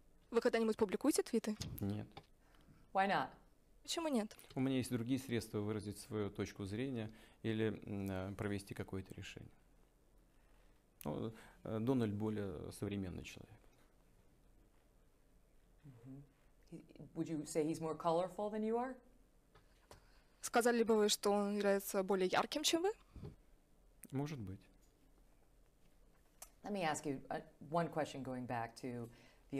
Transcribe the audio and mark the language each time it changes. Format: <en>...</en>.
<ru>Вы когда-нибудь публикуете твиты? Нет.</ru> <en>Why not?</en> <ru>Почему нет? У меня есть другие средства выразить свою точку зрения или провести какое-то решение. Ну, Дональд более современный человек. Mm-hmm.</ru> <en>Would you say he's more colorful than you are?</en> <ru>Сказали бы вы, что он является более ярким, чем вы? Может быть.</ru> <en>Let me ask you one question, going back to the</en>